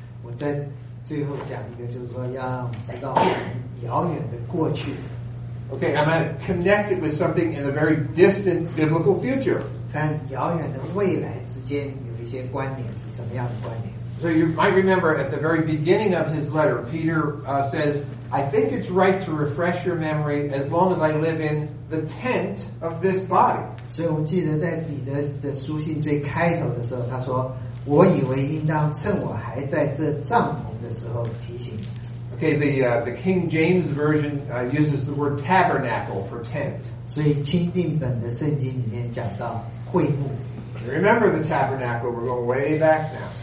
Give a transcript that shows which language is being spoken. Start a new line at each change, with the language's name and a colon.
English: Okay, I'm going to connect it with something in a very distant biblical future. So you might remember at the very beginning of his letter, Peter says, I think it's right to refresh your memory as long as I live in the tent of this body.
Chinese: 所以我记得在彼得的书信最开头的时候，他说， 我以为应当趁我还在这帐篷的时候提醒。Okay,
English: the King James Version uses the word tabernacle for tent.
Chinese: 所以钦定本的圣经里面讲到会幕。
English: Remember the tabernacle, we're going way back now.